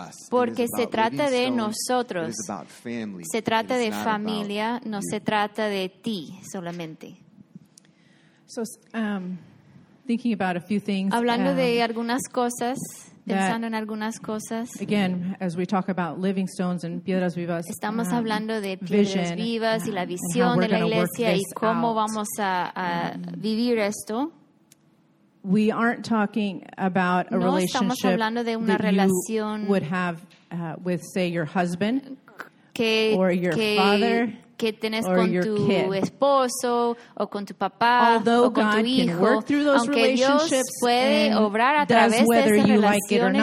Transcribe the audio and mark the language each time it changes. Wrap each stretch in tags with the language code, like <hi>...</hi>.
<es>Porque se trata de nosotros. Se trata de familia, no se trata de ti solamente.</es> <en>So, thinking about a few things.</en> <es>Hablando de algunas cosas, pensando en algunas cosas.</es> <en>Again, as we talk about living stones and</en> <es>piedras vivas. Estamos hablando de piedras vivas y la visión de la iglesia y cómo vamos a vivir esto.</es> <en>We aren't talking about a relationship that you would have with, say, your husband or your father.</en> <es>Que tenés con tu esposo o con tu papá</es> <en>Although</en> <es>o con</es> <en>God</en> <es>tu hijo, aunque Dios puede obrar a través de esas relaciones</es>